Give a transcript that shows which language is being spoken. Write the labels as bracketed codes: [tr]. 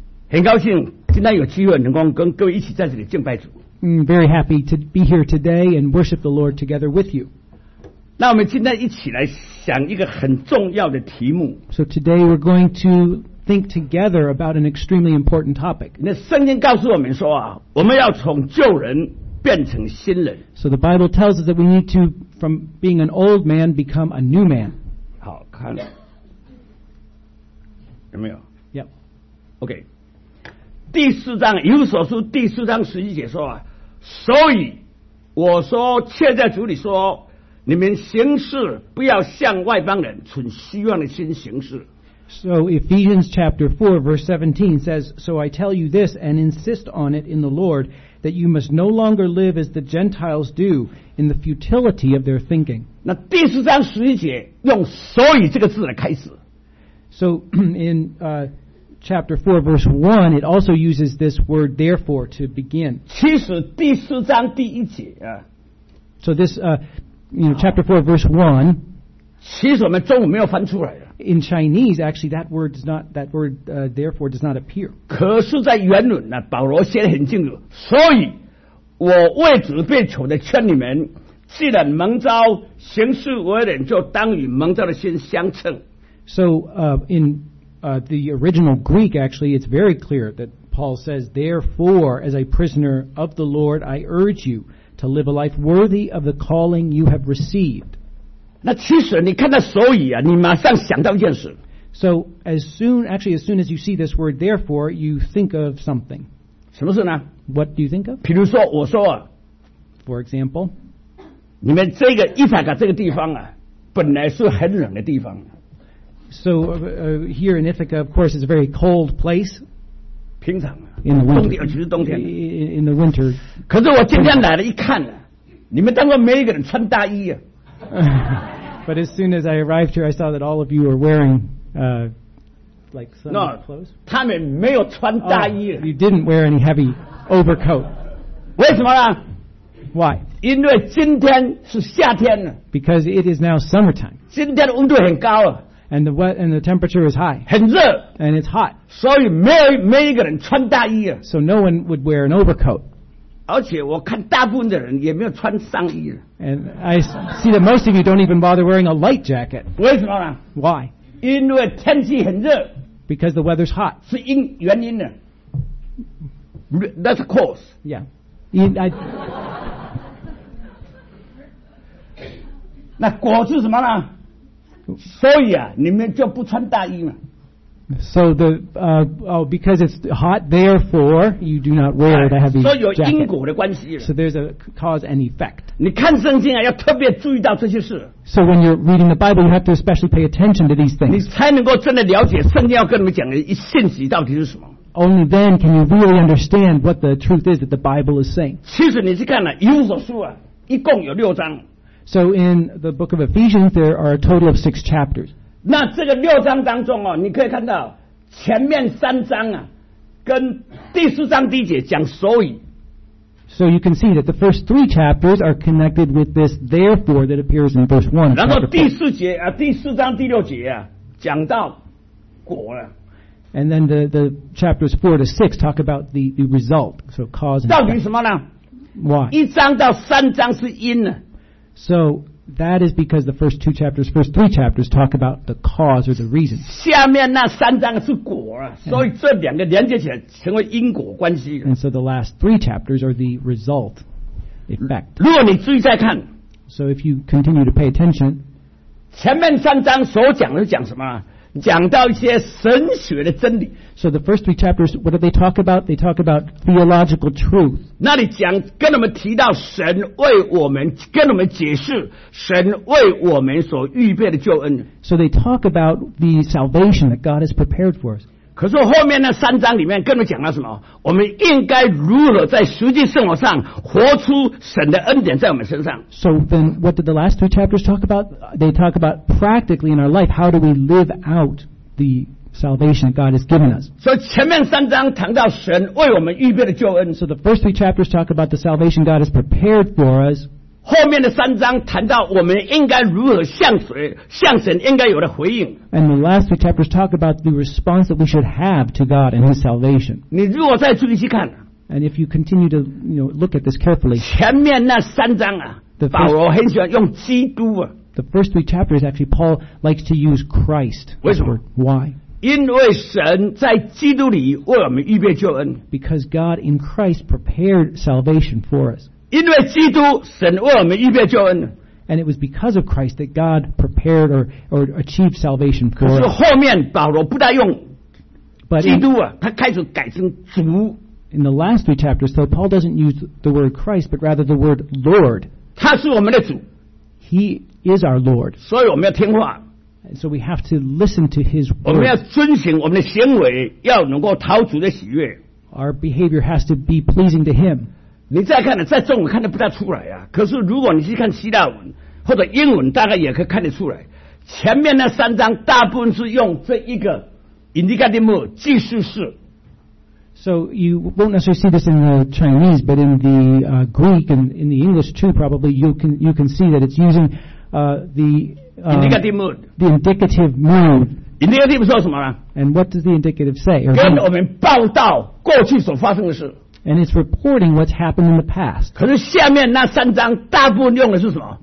[zh] 很高兴今天有机会能够跟各位一起在这里敬拜主。 [en] Very happy to be here today and worship the Lord together with you。 [zh] 那我们今天一起来想一个很重要的题目。 [en] So today we're going to think together about an extremely important topic。 [zh] 那圣经告诉我们说啊，我们要从旧人变成新人。 [en] So the Bible tells us that we need to, from being an old man, become a new man。 [zh] 好看。有没有 [en] ？Yep. OK. [zh] 第四章以弗所书第四章十一节说啊，所以我说，切在主里说，你们行事不要像外邦人，存虚妄的心行事。 [en] So Ephesians chapter 4 verse 17 says, So I tell you this and insist on it in the Lord that you must no longer live as the Gentiles do in the futility of their thinking. [zh] 那第四章十一节用所以这个字来开始。 [en] So in chapter 4 verse 1 it also uses this word therefore to begin. [zh] 其实第四章第一节啊。 [en] So this chapter 4 verse 1 [zh] 其实我们中文没有翻出来的。 [en] In Chinese actually that word therefore does not appear. [zh] 可是在原文呢保罗写得很清楚。所以我为主被囚的劝你们既然蒙召行事为人就当与蒙召的心相称。 [en] So in the original Greek, actually, it's very clear that Paul says, Therefore, as a prisoner of the Lord, I urge you to live a life worthy of the calling you have received. [zh] 那其实你看到所以啊，你马上想到一件事。 [en] So as soon as you see this word, therefore, you think of something. [zh] 什么事呢？ [en] What do you think of? [zh] 比如说我说啊。 [en] For example. [zh] 你们这个伊法卡这个地方啊，本来是很冷的地方。 [en] So here in Ithaca, of course, it's a very cold place. [zh] 平常 [en] in the winter. [zh] 冬天，其实冬天。 [en] In the winter. [zh] 可是我今天来了，一看了，你们当中没一个人穿大衣啊。 [en] But as soon as I arrived here, I saw that all of you were wearing, like some no, clothes. No, [zh] 他们没有穿大衣。 [en] Oh, you didn't wear any heavy overcoat. [zh] 为什么呢？ [en] Why? [zh] 因为今天是夏天呢。 [en] Because it is now summertime. [zh] 今天温度很高啊。 [en] And the wet and the temperature is high. [zh] 很热 [en] And it's hot. [zh] 所以没一个人穿大衣啊。 [en] So no one would wear an overcoat. [zh] 而且我看大部分的人也没有穿上衣啊。 [en] And I see that most of you don't even bother wearing a light jacket. [zh] 为什么呢？ [en] Why? [zh] 因为天气很热。 [en] Because the weather's hot. [zh] 是因原因呢。 [en] That's a cause. Yeah. [zh] I 那果是什么呢？所以啊，你们就不穿大衣嘛。 [en] So the because it's hot, therefore you do not wear the heavy jacket. [zh] 所以有因果的关系。 [en] So there's a cause and effect. [zh] 你看圣经啊，要特别注意到这些事。 [en] So when you're reading the Bible, you have to especially pay attention to these things. [zh] 你才能够真的了解圣经要跟你们讲的信息到底是什么。 [en] Only then can you really understand what the truth is that the Bible is saying. [zh] 其实你去看了以弗所书啊，一共有六章。 [en] So in the book of Ephesians, there are a total of six chapters. [zh] 那这个六章当中哦，你可以看到前面三章啊，跟第四章第一节讲所以。 [en] So you can see that the first three chapters are connected with this therefore that appears in verse one. [zh] 然后第四节啊，第四章第六节啊，讲到果了。 [en] And then the chapters 4 to 6 talk about the result, so cause and effect. [zh] 到底什么呢？ [en] Why? [zh] 一章到三章是因呢。 [en] So that is because the first two chapters, first three chapters talk about the cause or the reason. [zh] 下面那三章是果啊，所以这两个连接起来成为因果关系。 [en] And so the last three chapters are the result, effect. [zh] 如果你注意再看。 [en] So if you continue to pay attention. [zh] 前面三章所讲的是讲什么？讲到一些神学的真理。 [en] So the first three chapters, what do they talk about? They talk about theological truth. [zh] 那里讲跟我们提到神为我们跟我们解释神为我们所预备的救恩。 [en] So they talk about the salvation that God has prepared for us. [zh] 可是后面那三章里面跟我们讲了什么？我们应该如何在实际生活上活出神的恩典在我们身上。 [en] So then, what did the last three chapters talk about? They talk about practically in our life, how do we live out the salvation God has given us. So [zh] 前面三章谈到神为我们预备的救恩。 [en] So the first three chapters talk about the salvation God has prepared for us. [zh] 后面的三章谈到我们应该如何向谁向神应该有的回应。 [en] And the last three chapters talk about the response that we should have to God and His salvation. [zh] 你如果再注意去看。 [en] And if you continue to look at this carefully. [zh] 前面那三章啊，保罗很喜欢用基督啊。 [en] The first three chapters actually Paul likes to use Christ. As word. Why? [zh] 因为神在基督里为我们预备救恩。 [en] Because God in Christ prepared salvation for us. [zh] 因为基督神为我们预备救恩 [en] and it was because of Christ that God prepared or achieved salvation for us [zh] 可是后面保罗不再用基督啊他开始改成主 [en] in the last three chapters though Paul doesn't use the word Christ but rather the word Lord [zh] 他是我们的主 [en] He is our Lord [zh] 所以我们要听话 [en] and so we have to listen to his word [zh] 我们要遵行我们的行为要能够讨主的喜悦 [en] our behavior has to be pleasing to him [zh] 你再看再中文看得不大出来啊可是如果你去看希腊文或者英文大概也可以看得出来前面那三章大部分是用这一个 indicative 记述式 [en] So you won't necessarily see this in the Chinese but in the Greek and in the English too probably you can see that it's using the indicative mood [zh] indicative 说什么呢 [en] and what does the indicative say [zh] 跟我们报道过去所发生的事 [en] And it's reporting what's happened in the past. [zh] 可是下面那三章大部分用的是什么?